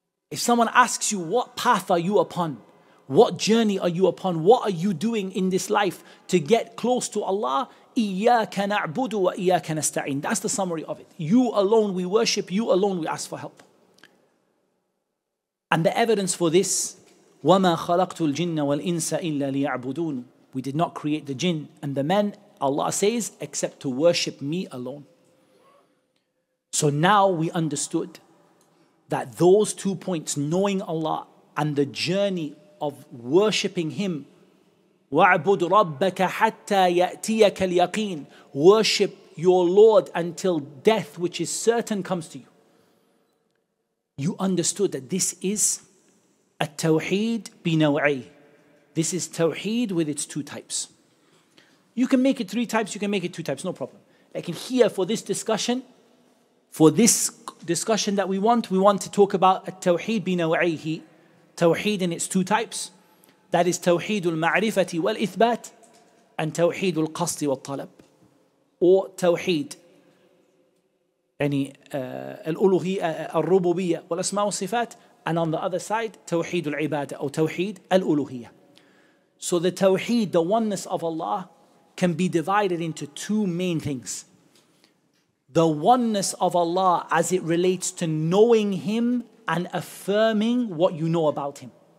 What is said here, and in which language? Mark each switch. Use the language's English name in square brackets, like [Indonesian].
[English] If someone asks you, what path are you upon? What journey are you upon? What are you doing in this life to get close to Allah? [Arabic] إِيَّاكَ نَعْبُدُ وَإِيَّاكَ نَسْتَعِينَ. [English] That's the summary of it. You alone we worship, you alone we ask for help. And the evidence for this, [Arabic] وَمَا خَلَقْتُ الْجِنَّ وَالْإِنسَ إِلَّا لِيَعْبُدُونَ. [English] We did not create the jinn and the men, Allah says, except to worship me alone. So now we understood that those two points, knowing Allah and the journey of worshipping Him, [Arabic] وَعْبُدْ رَبَّكَ حَتَّى يَأْتِيَكَ الْيَقِينَ. [English] Worship your Lord until death, which is certain, comes to you. You understood that this is [Arabic] التوحيد بنوعي. [English] This is Tawheed with its two types. You can make it three types, you can make it two types, no problem. Like in here, for this discussion that we want to talk about [Arabic] التوحيد بنوعيه. [English] Tawheed in its two types. That is [Arabic] توحيد المعرفة والإثبات [English] and [Arabic] توحيد القصد والطلب. Or توحيد يعني الألوهية الربوبية والأسماء والصفات. [English] And on the other side, [Arabic] توحيد العبادة أو توحيد الألوهية. [English] So the توحيد, the oneness of Allah, can be divided into two main things. The oneness of Allah as it relates to knowing Him and affirming what you know about Him.